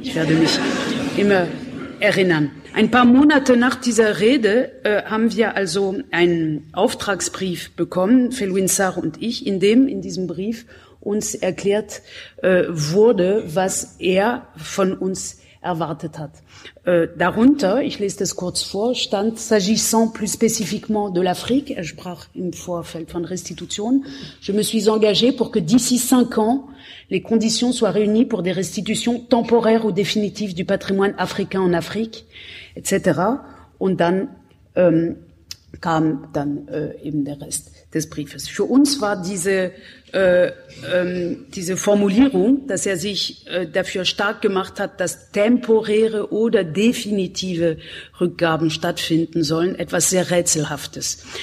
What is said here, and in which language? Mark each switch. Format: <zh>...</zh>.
<de>Ich werde mich immer erinnern. Ein paar Monate nach dieser Rede haben wir also einen Auftragsbrief bekommen, Felwine Sarr und ich, in diesem Brief uns erklärt wurde, was er von uns erwartet hat. Darunter, ich lese das kurz vor, stand,</de> <fr>s'agissant plus spécifiquement de l'Afrique,</fr> <de>er sprach im Vorfeld von Restitution,</de> <fr>je me suis engagé pour que d'ici 5 ans, les conditions soient réunies pour des restitutions temporaires ou définitives du patrimoine africain en Afrique, etc.</fr> <de>Und dann kam eben der Rest des Briefes. Für uns war diese Formulierung, dass er sich dafür stark gemacht hat, dass temporäre oder definitive Rückgaben stattfinden sollen, etwas sehr Rätselhaftes.</de>